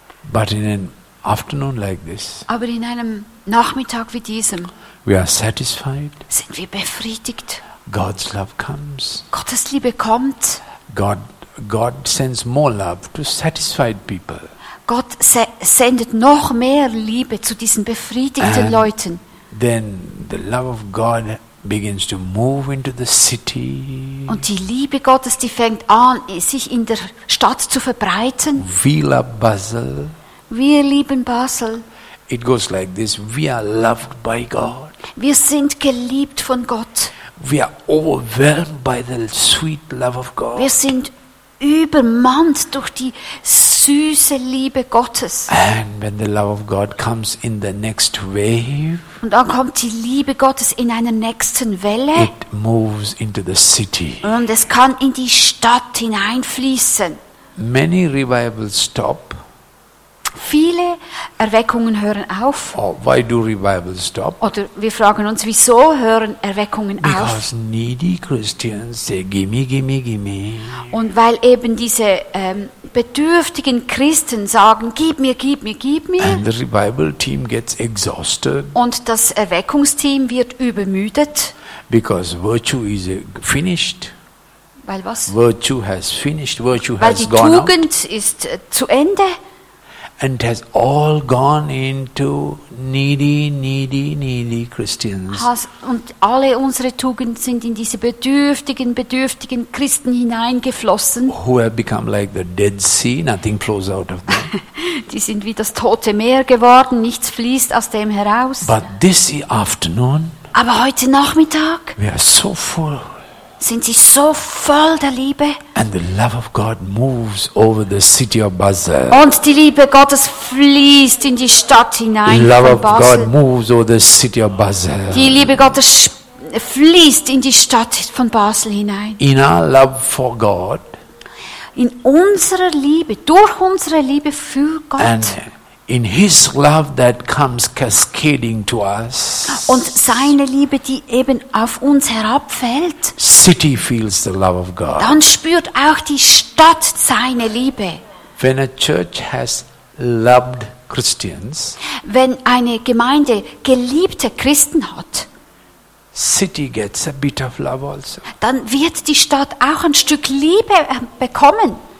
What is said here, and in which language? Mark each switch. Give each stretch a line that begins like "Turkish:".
English: But in an afternoon like this.
German: Aber in einem Nachmittag wie diesem.
English: We are satisfied.
German: Sind wir befriedigt?
English: God's love comes.
German: Gottes Liebe kommt.
English: God sends more love to satisfied people.
German: Gott sendet noch mehr Liebe zu diesen befriedigten
English: and
German: Leuten.
English: Then the love of God begins to move into the city.
German: Und die Liebe Gottes, die fängt an, sich in der Stadt zu verbreiten.
English: We love Basel.
German: Wir lieben Basel.
English: It goes like this, we are loved by God.
German: Wir sind geliebt von Gott.
English: We are overwhelmed by the sweet love of God.
German: Wir sind übermannt durch die süße Liebe Gottes.
English: And when the love of God comes in the next wave,
German: und dann kommt die Liebe Gottes in einer nächsten Welle,
English: it moves into the city.
German: Und es kann in die Stadt hineinfließen.
English: Many revivals stop.
German: Viele Erweckungen hören auf.
English: Oh, why do revivals stop?
German: Oder wir fragen uns, wieso hören Erweckungen
English: Because
German: auf?
English: Because needy Christians say, give me.
German: Und weil eben diese bedürftigen Christen sagen, gib mir.
English: And the revival team gets exhausted.
German: Und das Erweckungsteam wird übermüdet.
English: Because virtue is finished.
German: Weil was?
English: Virtue has finished. Virtue
German: weil
English: has
German: die
English: gone
German: Tugend
English: out.
German: Ist zu Ende.
English: And it has all gone into needy Christians.
German: Und alle unsere Tugenden sind in diese bedürftigen Christen hineingeflossen.
English: Who have become like the Dead Sea, nothing flows out of them.
German: Die sind wie das tote Meer geworden, nichts fließt aus dem heraus.
English: But this afternoon.
German: Aber heute Nachmittag.
English: We are so full.
German: Sind sie so voll der Liebe?
English: And the love of God moves over the city of Basel.
German: Und die Liebe Gottes fließt in die Stadt hinein.
English: The love of God moves over the city of Basel.
German: Die Liebe Gottes fließt in die Stadt von Basel hinein.
English: In our love for God.
German: In unserer Liebe, durch unsere Liebe für Gott.
English: And in his love that comes cascading to us.
German: Und seine Liebe, die eben auf uns herabfällt.
English: City feels the love of God.
German: Dann spürt auch die Stadt seine Liebe.
English: When a church has loved Christians.
German: Wenn eine Gemeinde geliebte Christen hat.
English: City gets a bit of love also.
German: Dann wird die Stadt auch ein Stück Liebe bekommen.